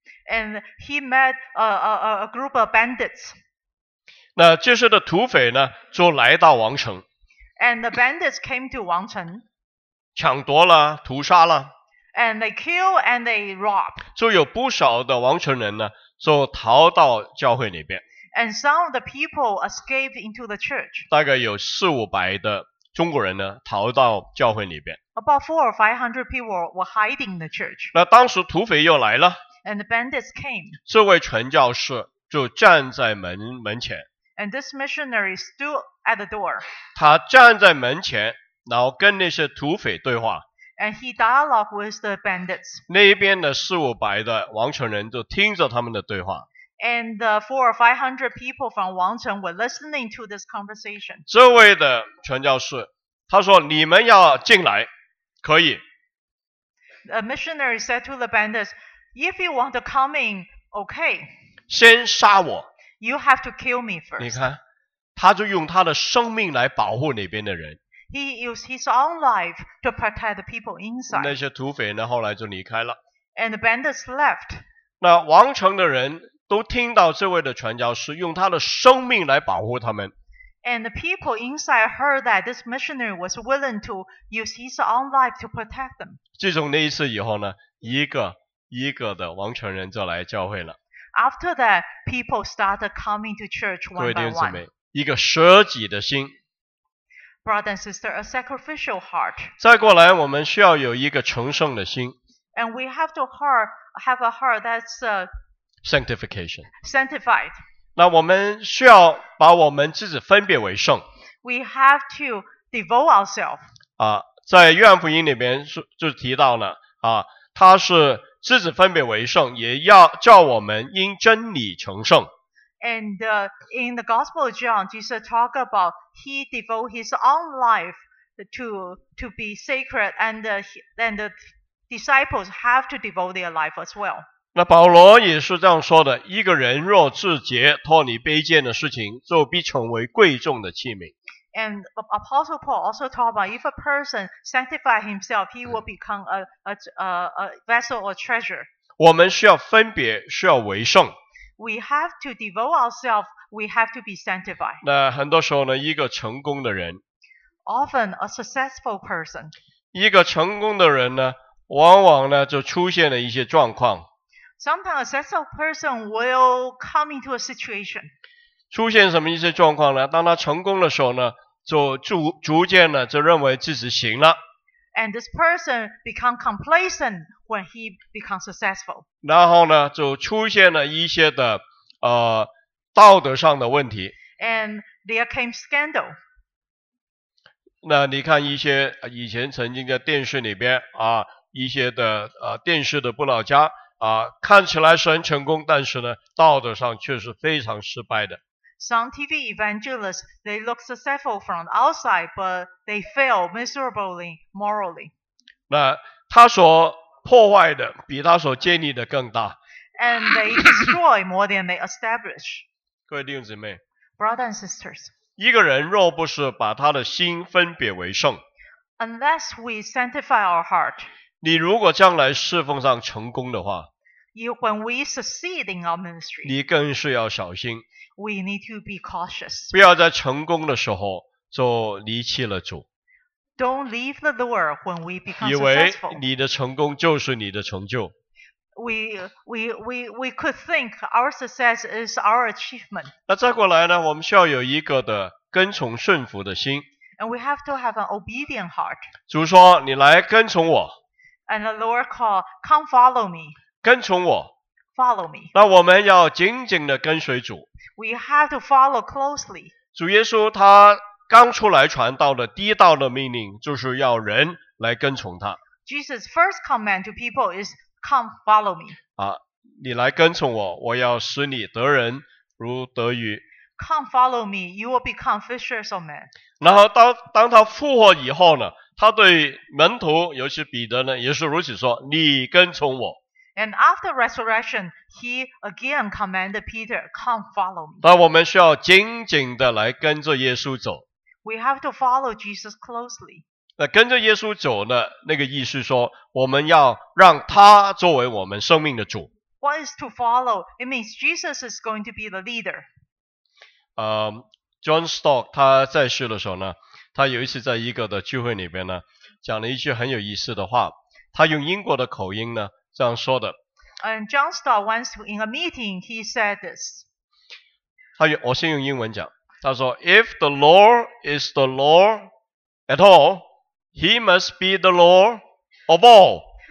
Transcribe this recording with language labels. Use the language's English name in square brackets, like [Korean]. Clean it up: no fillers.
[English] And he met a group of bandits. [Chinese] 那这些的土匪呢，就来到王城。 [English] And the bandits came to 王城。 [Chinese] 抢夺了，屠杀了。 [English] And they kill and they rob. [Chinese] 就有不少的王城人呢，就逃到教会里边。 [English] And some of the people escaped into the church. [Chinese] 大概有四五百的中国人呢，逃到教会里边。 [English] About 400 or 500 people were hiding in the church. [Chinese] 那当时土匪又来了。 [English] And the bandits came. [Chinese] 这位传教士就站在门前。 [English] And this missionary stood at the door. [Chinese] 他站在门前，然后跟那些土匪对话。 [English] And he dialogued with the bandits. [Chinese] 那边的四五百的王城人就听着他们的对话。 [English] And the 400 or 500 people from 王城 were listening to this conversation. [Chinese] 这位的传教士，他说：“你们要进来，可以。” [English] The missionary said to the bandits, "If you want to come in, okay." [Chinese] 先杀我。 [English] You have to kill me first. [Chinese] 你看，他就用他的生命来保护那边的人。 [English] He used his own life to protect the people inside. [Chinese] 那些土匪呢，后来就离开了。 [English] And the bandits left. [Chinese] 那王城的人。都听到这位的传教士用他的生命来保护他们。 [English] And the people inside heard that this missionary was willing to use his own life to protect them. [Chinese] 自从那一次以后呢，一个一个的王城人就来教会了。 [English] After that, people started coming to church one by one. [Chinese] 各位弟兄姊妹，一个舍己的心。 [English] Brother and sister, a sacrificial heart. [Chinese] 再过来，我们需要有一个成圣的心。 [English] And we have to have a heart that's Sanctification. Sanctified. [Chinese] 那我们需要把我们自己分别为圣。 [English] We have to devote ourselves. [Chinese] 啊，在约翰福音里边就提到了啊，他是自己分别为圣，也要叫我们因真理成圣。 [English] And in the Gospel of John, Jesus talk about he devote his own life to be sacred, and the disciples have to devote their life as well. [Chinese] 那保罗也是这样说的，一个人若自洁，脱离卑贱的事情，就必成为贵重的器皿。 [English] And Apostle Paul also talked about if a person sanctify himself, he will become a vessel or treasure. [Chinese] 我们需要分别，需要为圣。 [English] We have to devote ourselves, we have to be sanctified. [Chinese] 那很多时候呢，一个成功的人 [English] ，often a successful person， [Chinese] 一个成功的人呢，往往呢就出现了一些状况。 [English] Sometimes a successful person will come into a situation. [Chinese] 出现什么一些状况呢？当他成功的时候呢，就逐渐呢就认为自己行了。 [English] And this person become complacent when he becomes successful. [Chinese] 然后呢，就出现了一些的道德上的问题。 [English] And there came scandal. [Chinese] 那你看一些以前曾经在电视里边啊，一些的电视的不老家。啊，看起来是很成功，但是呢，道德上却是非常失败的。 [English] Some TV evangelists they look successful from outside, but they fail miserably morally. [Chinese] 那他所破坏的比他所建立的更大。 [English] And they destroy more than they establish. [Chinese] 各位弟兄姊妹 [English] ，Brothers and sisters， [Chinese] 一个人若不是把他的心分别为圣 [English] unless we sanctify our heart. [Chinese] 你如果将来侍奉上成功的话， [English] when we succeed in our ministry, [Chinese] 你更是要小心。 [English] We need to be cautious. [Chinese] 不要在成功的时候就离弃了主。 [English] Don't leave the Lord when we become successful. [Chinese] 以为你的成功就是你的成就。 [English] We could think our success is our achievement. [Chinese] 那再过来呢，我们需要有一个的跟从顺服的心。 [English] And we have to have an obedient heart. [Chinese] 主说，你来跟从我。 [English] And the Lord called, come follow me. [Chinese] 跟从我。 [English] Follow me. [Chinese] 那我们要紧紧的跟随主。 [English] We have to follow closely. [Chinese] 主耶稣他刚出来传道的第一道的命令就是要人来跟从他。 [English] Jesus' first command to people is, come follow me. [Chinese] 啊，你来跟从我，我要使你得人如得鱼。 [English] Come follow me, you will become fishers of men. [Chinese] 然后当他复活以后呢，他对门徒，尤其彼得呢，也是如此说，你跟从我。 [English] And after resurrection, he again commanded Peter, come follow me. [Chinese] 那我们需要紧紧的来跟着耶稣走。 [English] We have to follow Jesus closely. [Chinese] 那跟着耶稣走呢，那个意思说，我们要让他作为我们生命的主。 [English] What is to follow? It means Jesus is going to be the leader. [Chinese] John Stott, 他在世的时候呢，他有一次在一个的聚会里边呢，讲了一句很有意思的话，他用英国的口音呢，这样说的。 [English] And John Stott once in a meeting, he said this. [Chinese] 他我先用英文讲。他说 [English] ,If the Lord is the Lord at all, he must be the Lord of all.